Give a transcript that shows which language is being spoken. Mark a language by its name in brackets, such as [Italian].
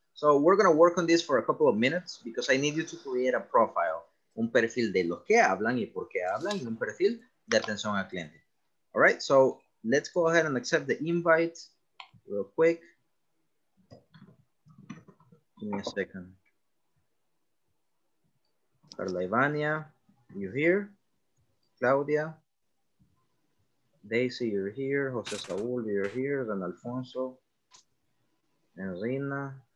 [English] So we're going to work on this for a couple of minutes because I need you to create a profile. [Spanish] Un perfil de los que hablan y por qué hablan y un perfil de atención al cliente. [English] All right. So let's go ahead and accept the invite real quick. Give me a second. Carla Ivania, you here? Claudia? Daisy, you're here. Jose Saul, you're here. Don Alfonso. Enrina.